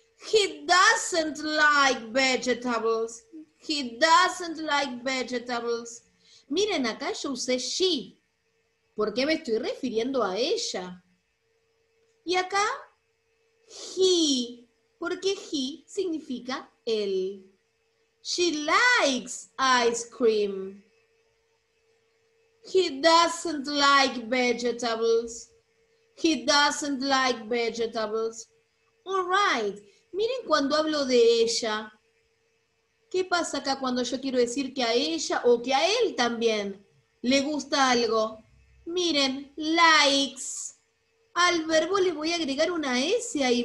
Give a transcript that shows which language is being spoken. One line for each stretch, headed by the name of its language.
English: He doesn't like vegetables. He doesn't like vegetables.
Spanish: Miren, acá yo usé she. ¿Por qué me estoy refiriendo a ella? Y acá, he. Porque he significa él.
English: She likes ice cream. He doesn't like vegetables. He doesn't like vegetables. All right.
Spanish: Miren cuando hablo de ella. ¿Qué pasa acá cuando yo quiero decir que a ella o que a él también le gusta algo? Miren, likes. Al verbo le voy a agregar una S ahí.